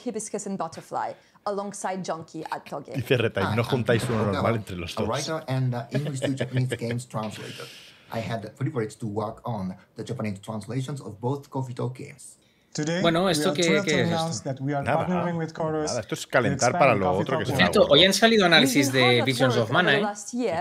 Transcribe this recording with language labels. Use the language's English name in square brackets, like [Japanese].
[Spanish] Dice Retain, no juntáis uno normal entre los dos. [English] I had the privilege to work on the Japanese translations of both Coffee Talk games. Today, [Spanish] bueno, ¿esto qué es esto? Nada, esto es calentar para lo otro que se llama. Hoy han salido análisis de Visions of Mana, ¿eh?